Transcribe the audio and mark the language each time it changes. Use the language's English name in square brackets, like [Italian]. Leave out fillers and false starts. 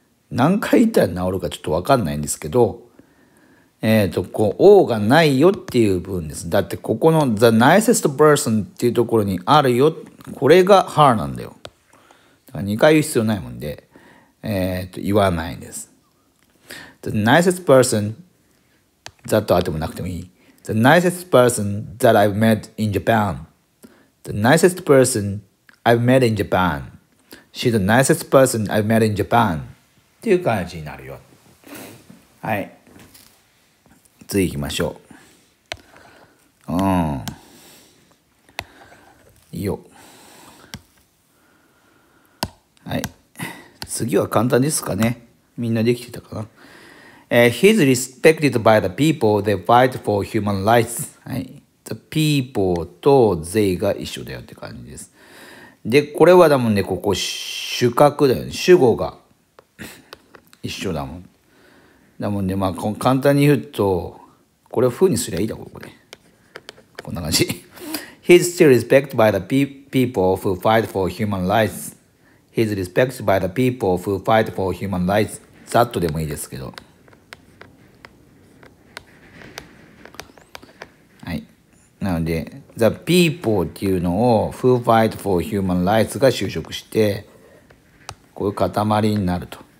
[Japanese] 何回言ったら治るかちょっとわかんないんですけど、O がないよっていう文です。だってここの [English] the nicest person [Japanese] っていうところにあるよ。これが her なんだよ。だから2回言う必要ないもんで、言わないんです。 [English] the nicest person that [Japanese] あってもなくてもいい。 [English] the nicest person that I've met in Japan. the nicest person I've met in Japan. she's the nicest person I've met in Japan. [Japanese] っていう感じになるよ。はい。次行きましょう。うん。いいよ。はい。次は簡単ですかね。みんなできてたかな。 [English] He's respected by the people that fight for human rights. [Japanese] はい。The people と they が一緒だよって感じです。で、これはだもんね、ここ主格だよね。主語が。一緒だもん。だもんで、ね、まあ、簡単に言うと、これを風にすりゃいいだろう、これ。こんな感じ。 [English] He's still respected by the people who fight for human rights. He's respected by the people who fight for human rights. [Japanese] ざっとでもいいですけど。はい。なので、the people っていうのを、 [English] who fight for human rights [Japanese] が就職して、こういう塊になると。